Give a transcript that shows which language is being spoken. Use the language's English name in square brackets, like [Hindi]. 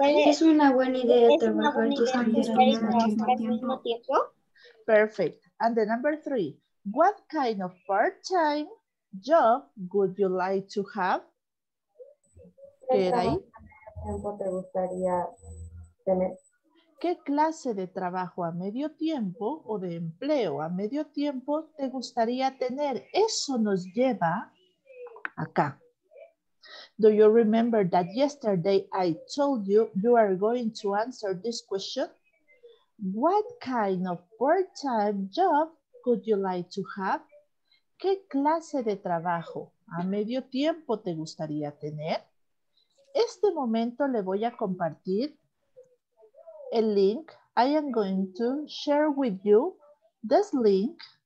[Spanish] Es una buena idea trabajar tus amigos al mismo tiempo. [English] Perfect. And the number three. What kind of part-time job would you like to have? [Spanish] ¿Qué tiempo te gustaría tener? ¿Qué clase de trabajo a medio tiempo o de empleo a medio tiempo te gustaría tener? Eso nos lleva acá. [English] Do you remember that yesterday I told you you are going to answer this question? What kind of part-time job could you like to have? [Spanish] ¿Qué clase de trabajo a medio tiempo te gustaría tener? Este momento le voy a compartir el link. [English] I am going to share with you this link.